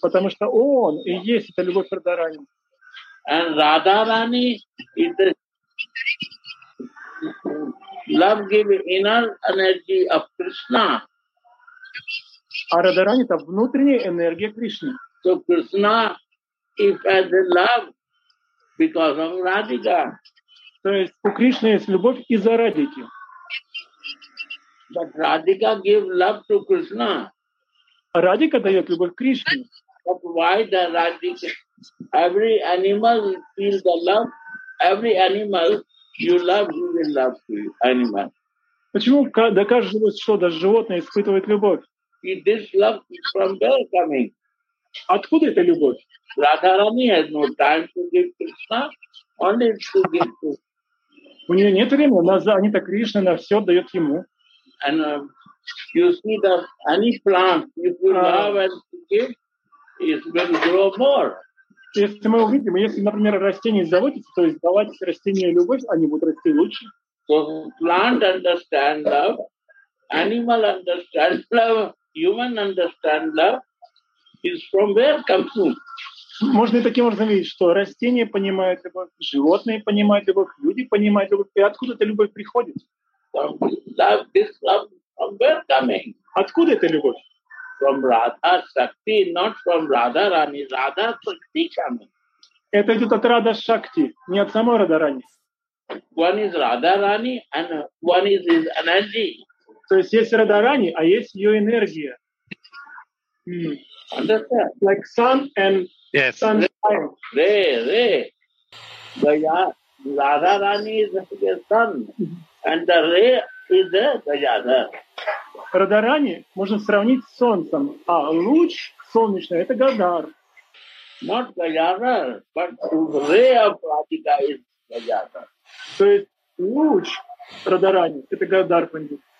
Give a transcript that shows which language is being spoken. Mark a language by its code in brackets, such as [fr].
[ru] Потому что он и есть эта любовь Радарани. [en] And Radha Rani is the love-giving inner energy of Krishna. [ru] А Радарани — это внутренняя энергия Кришны. [en] So Krishna is as a love because of Radhika. [ru] То есть у Кришны есть любовь из-за Радики. [en] But Radhika gives love to Krishna. [ru] Радика дает любовь Кришне. [en] But why the Radhika? Every animal feels the love. Every animal you love, you will love the animal. [ru] Почему доказывают, что даже животное испытывает любовь? [en] It is love from welcoming. [ru] Откуда эта любовь? [en] Радхарани has no time to give Krishna, only to give Krishna. [ru] У нее нет времени, она занята Кришной, она все дает ему. [en] And you see that any plant, if you love and give, it will grow more. [ru] Если мы увидим, если, например, растение заботится, то есть давать растению любовь, они будут расти лучше. [en] So plant understand love, animal understand love, human understand love, is from where comes food. [ru] Можно и таким образом видеть, что растения понимают любовь, животные понимают любовь, люди понимают любовь, и откуда эта любовь приходит? [en] From love, this love from where coming. [ru] Откуда эта любовь? [en] From Radha Shakti, not from Radha Rani. Radha Shakti coming. [ru] Это идет от Radha Shakti, не от самой Radha Rani. [en] One is Radha Rani and one is his energy. [ru] То есть есть Radha Rani, а есть ее энергия. [en] Understand? Like sun and yes. Sunshine. Ray. Radha Rani is the sun and the ray is the Gajada. [ru] Радарани можно сравнить с солнцем, а луч солнечный — это Гадар. [en] Not Gajada, but the ray of Radhika is Gajada. [ru] То есть луч Радарани — это Гадар, Пандит.